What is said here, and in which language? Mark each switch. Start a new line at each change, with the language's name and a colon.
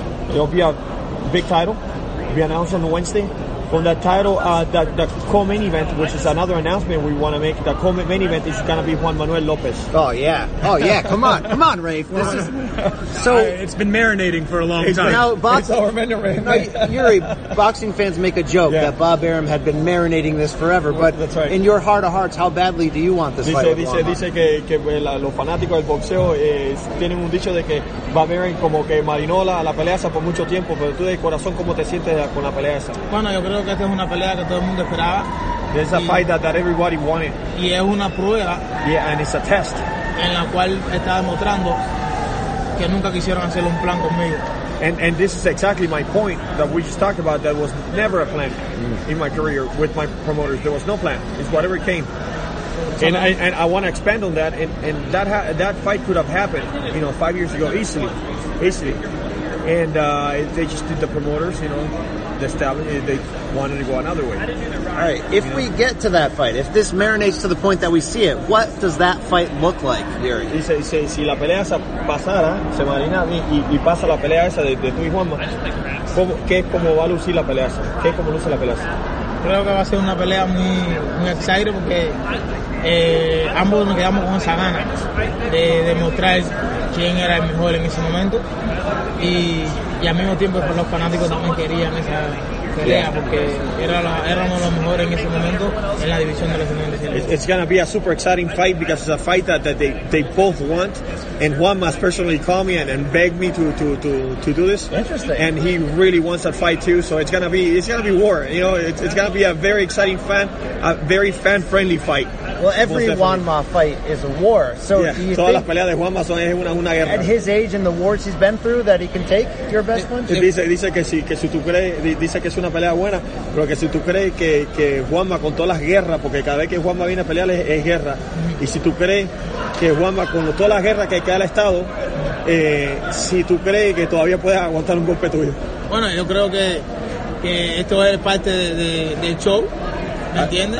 English: It'll be a big title. Be announced on Wednesday. From that title, the co-main event, which is another announcement we want to make, the co-main event is going to be Juan Manuel López. Oh yeah, come on, Rafe. This is so. It's been marinating for a long time. Now, Yuri, boxing fans make a joke that Bob Arum had been marinating this forever. But that's right. In your heart of hearts, how badly do you want this fight?
Spanish: Dice que los fanáticos del boxeo tienen un dicho de que Bob Arum como que marinó la pelea esa por mucho tiempo, pero tú de corazón cómo te sientes con la pelea esa. Creo que esta es una pelea que todo el mundo esperaba.
English: It's a fight that everybody wanted.
Spanish: Y es una prueba.
English: Yeah, and it's a test.
Spanish: En la cual está demostrando que nunca quisieron hacer un plan conmigo.
English: And this is exactly my point that we just talked about. That was never a plan in my career with my promoters. There was no plan. It's whatever came. And I want to expand on that. And that fight could have happened, you know, 5 years ago easily. And they just did the promoters, you know. They wanted to go another way. All right, if we get to that fight, if this marinates to the point that we see it, what does that fight look like, Yuri?
Spanish: Dice, si la pelea esa pasara, se marina y pasa la pelea esa de tú y Juanma, ¿cómo va a lucir la pelea esa? ¿Qué es como luce la pelea esa? Creo que va a ser una pelea muy excited porque ambos nos quedamos con esa gana de demostrar quién era el mejor en ese momento. Y al mismo tiempo pues los fanáticos también querían esa pelea porque éramos los mejores en ese momento en la división de los 97.
English: It's going to be a super exciting fight because it's a fight that they both want. And Juan must personally call me and beg me to do this. Interesting. And he really wants that fight too. So it's gonna be war. You know, it's gonna be a very exciting very fan friendly fight. Well, every Juanma fight is a war. So
Spanish: todas las peleas de Juanma son una guerra.
English: At his age and the wars he's been through, that he can take your best one.
Spanish: Dice que es una pelea buena, pero que si tú crees que Juanma con todas las guerras, porque cada vez que Juanma viene a pelear es guerra. Y si tú crees que Juanma con todas las guerras que queda el estado, si tú crees que todavía puedes aguantar un golpe tuyo. Bueno, yo creo que esto es parte del show, ¿me entiendes?